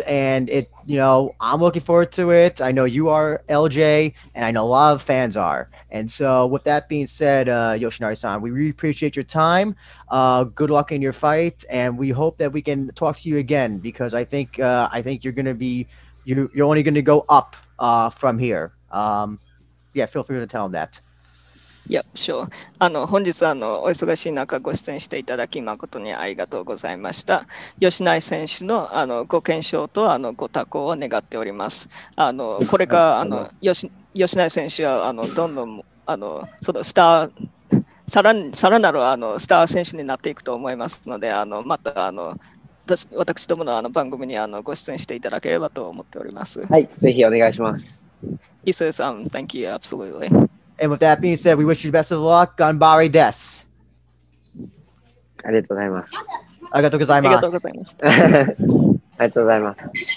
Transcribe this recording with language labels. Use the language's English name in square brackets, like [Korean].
[English] And it, you know, I'm looking forward to it. I know you are, LJ, and I know a lot of fans are. And so, with that being said, Yoshinari-san, we really appreciate your time. Good luck in your fight, and we hope that we can talk to you again, because I think you're only gonna go up from here. Yeah, feel free to tell him that. Yep, sure. [Japanese] あの、本日あの、お忙しい中ご出演していただき誠にありがとうございました。吉内選手の、あの、ご健勝と、あの、ご多幸を願っております。あの、これから、あの、吉内選手は、あの、どんどん、あの、そのスター、さらなる、あの、スター選手になっていくと思いますので、あの、また、あの、私どもの、あの、番組に、あの、ご出演していただければと思っております。はい、ぜひお願いします。 [English] He says, thank you, absolutely. And with that being said, we wish you best of luck. [Japanese] Ganbare desu. ありがとうございます。ありがとうございます。ありがとうございます。ありがとうございます。